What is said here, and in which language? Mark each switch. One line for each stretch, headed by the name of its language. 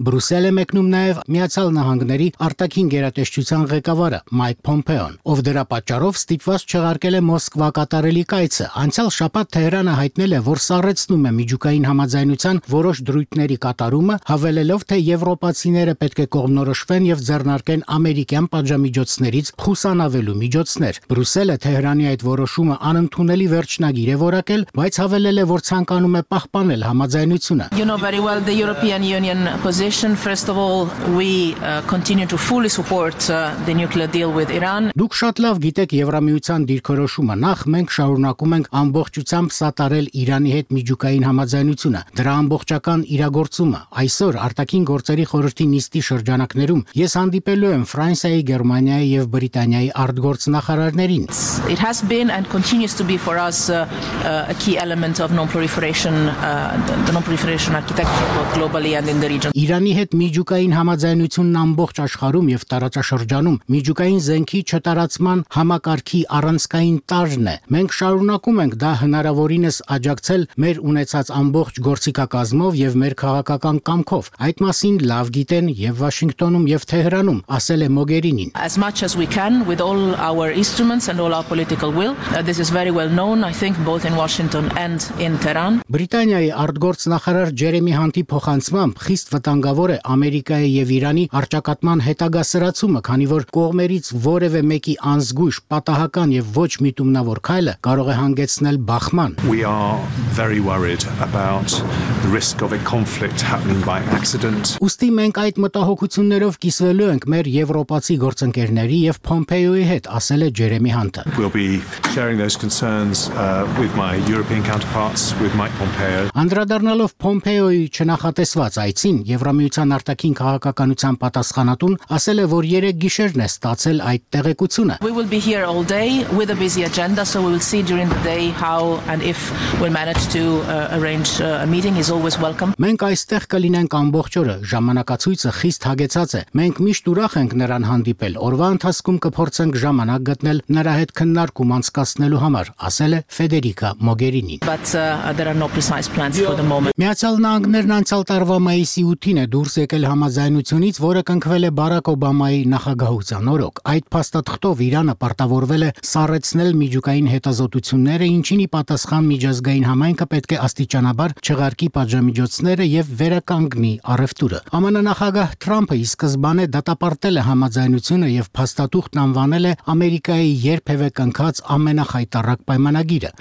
Armenian: Բրյուսելը մեկնում նաև Միացյալ Նահանգների արտաքին գերատեսչության ղեկավարը Մայք Փոմպեոն, ով դրա պատճառով ստիպված չեղարկել է Մոսկվա կատարելի կայցը։ Անցյալ շաբաթ Թեհրանը հայտնել է, որ սառեցնում է միջուկային համաձայնության որոշ ուտների կատարումը, հավելելով, թե եվրոպացիները պետք է կողմնորոշվեն եւ ձեռնարկեն ամերիկյան պատժամիջոցներից խուսանավելու միջոցներ։ Բրյուսելը Թեհրանի այդ որոշումը անընդունելի վերջնագիր է որակել, բայց հավելել է, որ ցանկանում է պահպանել համաձայնությունը։
English: You know very well the European Union position. First of all, we continue to fully support the nuclear deal with Iran.
Armenian: Դուք շատ լավ գիտեք Եվրամիության դիրքորոշումը, նախ մենք շարունակում ենք ամբողջությամբ սատարել Իրանի հետ միջուկային համաձայնությունը։ Դրա ամբողջական օգտագործումը։ Այսօր արտաքին գործերի խորհրդի նիստի շրջանակներում ես հանդիպելու եմ Ֆրանսիայի, Գերմանիայի եւ Բրիտանիայի արտգործնախարարներին։
English: It has been and continues to be for us a key element of non-proliferation the non-proliferation architecture both globally and in the region.
Armenian: Իրանի հետ միջուկային համաձայնությունն ամբողջ աշխարհում եւ տարածաշրջանում միջուկային զենքի չտարածման համակարգի առանցքային տարրն է։ Մենք շարունակում ենք դա հնարավորինս աջակցել մեր ունեցած ամբողջ գործիքակազմով եւ մեր քաղաքական կամքով։ Այդ մասին լավ գիտեն եւ Վաշինգտոնում եւ Թեհրանում, ասել է Մոգերինին։
English: As much as we can with all our instruments and all our political will, this is very well known, I think, both in Washington and in Tehran.
Armenian: Բրիտանիայի արտգործնախարար Ջերեմի Հանթի փոխանցումը խիստ վտանգավոր է Ամերիկայի եւ Իրանի արճակատման հետագա սրացումը, քանի որ կողմերից որևէ մեկի անզգույշ, պատահական եւ ոչ միտումնավոր քայլը կարող է հանգեցնել բախման։
English: We are very worried about the risk of a conflict happening by accident.
Armenian: Ուստի մենք այդ մտահոգություններով կիսվելու ենք մեր եվրոպացի գործընկերների եւ Փոմպեյոյի հետ, ասել է Ջերեմի Հանթը։
English: We'll be sharing those concerns with my European counterparts, with Mike Pompeo.
Armenian: Անդրադառնալով Փոմպեյոյի չնախատեսված այցին, Եվրամիության արտաքին քաղաքականության պատասխանատուն ասել է, որ 3 գիշերն է ստացել այդ տեղեկությունը։
English: We will be here all day with a busy agenda, so we will see during the day how and if we'll manage to arrange a meeting is always welcome.
Armenian: Մենք այստեղ կլինենք ամբողջ օրը, ժամանակացույցը խիստ հագեցած է։ Մենք միշտ ուրախ ենք նրան հանդիպել, օրվա ընթացքում կփորձենք ժամանակ գտնել նրա հետ քննարկում անցկացնելու համար, ասել է Ֆեդերիկա Մոգերինին։
English: But there are no precise plans for the moment.
Armenian: Միացյալ Նահանգներն անցյալ տարվա մայիսի 8-ին է դուրս եկել համաձայնությունից, որը կնքվել է Բարակ Օբամայի նախագահության օրոք։ Այդ փաստաթղթով Իրանը պարտավորվել է սառեցնել միջուկային հետազոտությունները, ինչինի պատասխան միջազգային համայնքը պետք է աստիճանաբար չեղարկի պատժամիջոցները եւ վերականգնի առևտուրը։ ԱՄՆ նախագահ Թրամփը ի սկզբանե դատապարտել է համաձայնությունը եւ փաստաթուղթն անվանել է Ամերիկայի երբևէ կնքած ամենախայտառակ պայմանագիրը։